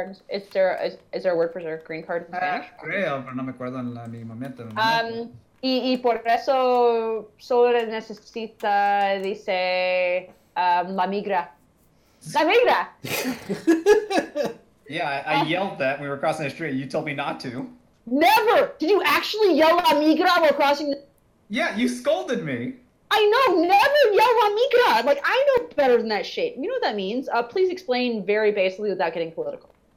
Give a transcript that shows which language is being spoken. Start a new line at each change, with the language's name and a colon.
English: Is there a word for green card in Spanish?
Spanish: Creo, pero no me acuerdo en mi momento. Y por eso solo necesita, dice, la migra.
English: Samira! Yeah, I yelled that when we were crossing the street. You told me not to. Never! Did you actually yell amigra while crossing the... Yeah, you scolded me. I know, never yell on me, God. Like, I know better than that shit. You know what that means? Please explain very basically without getting political.